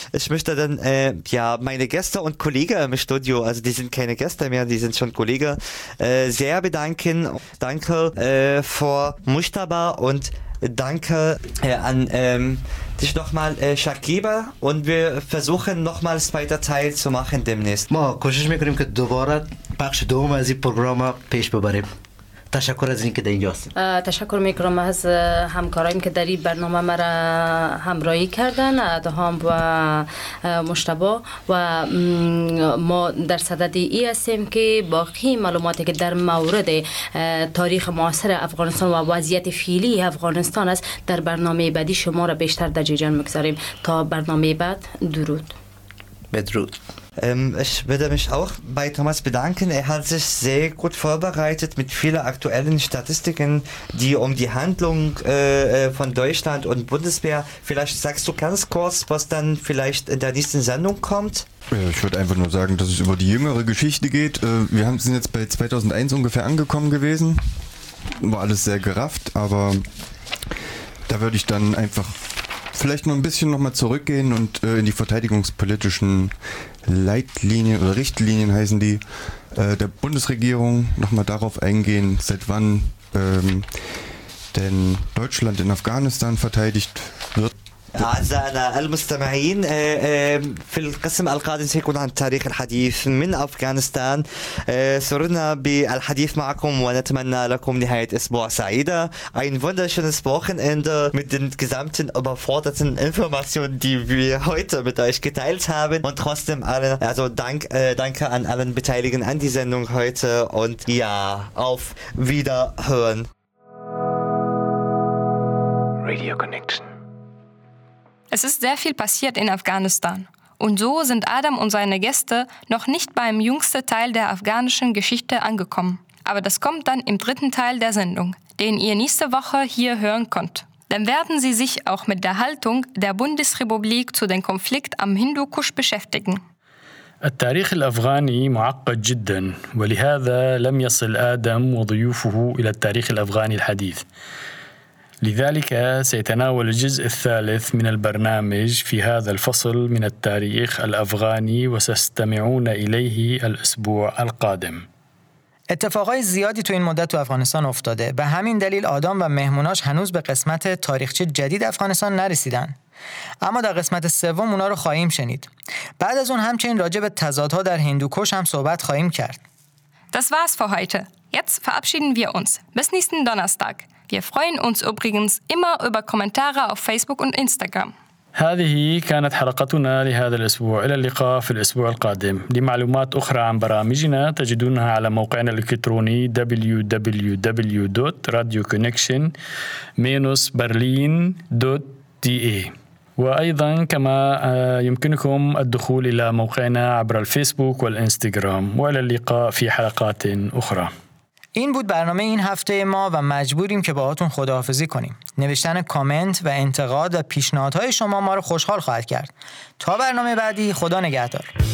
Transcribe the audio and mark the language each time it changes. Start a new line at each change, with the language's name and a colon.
German: Ich möchte dann meine Gäste und Kollegen im Studio, also die sind keine Gäste mehr, die sind schon Kollegen, sehr bedanken. Danke für Mustafa und danke an dich nochmal, Shakiba, und wir versuchen nochmal zweiter Teil zu machen demnächst.
Persian: Ma, koshish mikunim ke dobara pakhsh dom az in programa pesh bebarim. تشکر از این که در اینجا هستیم. تشکر میکنم از همکارایم که در این برنامه مرا همراهی کردن، ادهام و مشتبه، و ما در صدد ای هستیم که باقی معلوماتی که در مورد تاریخ معاصر افغانستان و وضعیت فعلی افغانستان است در برنامه بعدی شما را بیشتر در جریان میگذاریم. تا برنامه بعد، درود. بدرود.
German: Ich würde mich auch bei Thomas bedanken. Er hat sich sehr gut vorbereitet mit vielen aktuellen Statistiken, die um die Handlung von Deutschland und Bundeswehr. Vielleicht sagst du ganz kurz, was dann vielleicht in der nächsten Sendung kommt. Ich würde einfach nur sagen, dass es über die jüngere Geschichte geht. Wir sind jetzt bei 2001 ungefähr angekommen gewesen. War alles sehr gerafft, aber da würde ich dann einfach vielleicht noch ein bisschen nochmal zurückgehen und in die verteidigungspolitischen Leitlinien oder Richtlinien heißen die, der Bundesregierung nochmal darauf eingehen, seit wann denn Deutschland in Afghanistan verteidigt wird.
Arabic: أعزائنا المستمعين، في القسم القادم سيكون عن تاريخ الحديث من أفغانستان. سررنا بالحديث معكم ونتمنى لكم نهاية أسبوع سعيدة.
German: Ein wunderschönes Wochenende mit den gesamten überforderten Informationen, die wir heute mit euch geteilt haben. Und trotzdem allen, also danke an allen Beteiligten an die Sendung heute. Und ja, auf Wiederhören. Radio Connection. Es ist sehr viel passiert in Afghanistan. Und so sind Adam und seine Gäste noch nicht beim jüngsten Teil der afghanischen Geschichte angekommen. Aber das kommt dann im dritten Teil der Sendung, den ihr nächste Woche hier hören könnt. Dann werden sie sich auch mit der Haltung der Bundesrepublik zu dem Konflikt am Hindukusch beschäftigen.
Arabic: التاريخ الأفغاني معقد جدا، ولهذا لم يصل آدم وضيوفه إلى التاريخ الأفغاني الحديث. لذلك سيتناول الجزء الثالث من البرنامج في هذا الفصل من التاريخ الأفغاني وستستمعون إليه الأسبوع القادم.
Persian: اتفاقای زیادی تو این مدت تو افغانستان افتاده. به همین دلیل آدم و مهموناش هنوز به قسمت تاریخچه جدید افغانستان نرسیدن. اما در قسمت سوم اونا رو خواهیم شنید. بعد از اون همچنین راجع به تضادها در هندوکش هم صحبت خواهیم کرد.
German: Das war's für heute. Jetzt verabschieden wir uns. Bis nächsten Donnerstag. Wir freuen uns übrigens immer über Kommentare auf Facebook und Instagram.
Arabic: هذه كانت حلقتنا لهذا الأسبوع. إلى اللقاء في الأسبوع القادم. لمعلومات أخرى عن برامجنا تجدونها على موقعنا الإلكتروني www.radioconnection-berlin.de، وأيضا كما يمكنكم الدخول إلى موقعنا عبر الفيسبوك والإنستغرام. وإلى اللقاء في حلقات أخرى.
Persian: این بود برنامه این هفته ما و مجبوریم که باهاتون خداحافظی کنیم. نوشتن کامنت و انتقاد و پیشنهادهای شما ما رو خوشحال خواهد کرد. تا برنامه بعدی، خدا نگهدار.